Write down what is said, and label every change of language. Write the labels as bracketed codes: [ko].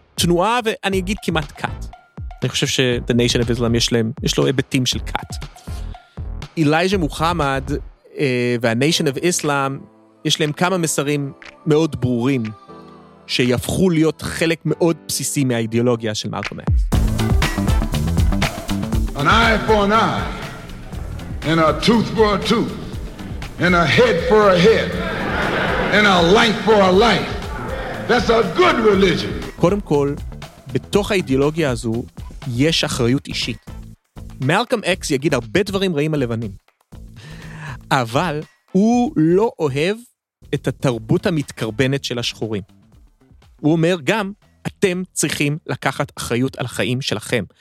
[he] תנועה, ואני אגיד כמעט קאט. אני חושב ש-The Nation of Islam יש לו היבטים של קאט. אלייג'ה מוחמד וה-Nation of Islam, יש להם כמה מסרים מאוד ברורים, שיהפכו להיות חלק מאוד בסיסי מהאידיאולוגיה של מלקום אקס. [en] An eye for an eye, and a tooth for a tooth, and a head for a head, and a life for a life. That's a good religion. [he] קודם כל, בתוך האידיאולוגיה הזו, יש אחריות אישית. מלקום אקס יגיד הרבה דברים רעים הלבנים, אבל הוא לא אוהב את התרבות המתקרבנת של השחורים. הוא אומר גם, אתם צריכים לקחת אחריות על החיים שלכם.